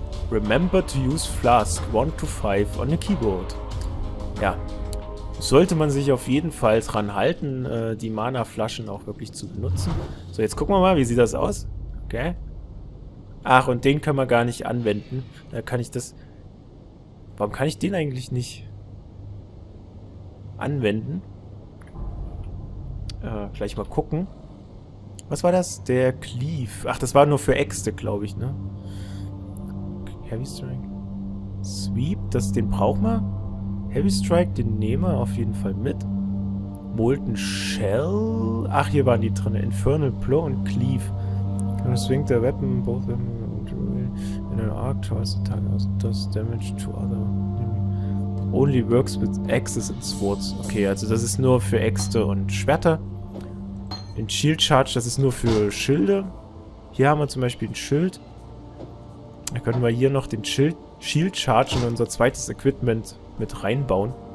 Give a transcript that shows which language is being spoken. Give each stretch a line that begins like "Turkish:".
English: Remember to use Flask 1 to 5 on the keyboard.
German: Ja. Sollte man sich auf jeden Fall dran halten, die Mana-Flaschen auch wirklich zu benutzen. So, jetzt gucken wir mal, wie sieht das aus? Okay. Ach, und den können wir gar nicht anwenden. Da kann ich das... Warum kann ich den eigentlich nicht anwenden? Gleich mal gucken. Was war das? Der Cleave. Ach, das war nur für Äxte, glaube ich, ne? Heavy Strike. Sweep, das, den braucht man. Heavy Strike, den nehmen wir auf jeden Fall mit. Molten Shell. Ach, hier waren die drin. Infernal Blow und Cleave.
English: Swing the weapon, both weapon in an arc twice a time. Does damage to other. Only works with axes and swords.
German: Okay, also das ist nur für Äxte und Schwerter. Den Shield Charge, das ist nur für Schilde. Hier haben wir zum Beispiel ein Schild. Da können wir hier noch den Shield Charge in unser zweites Equipment mit reinbauen.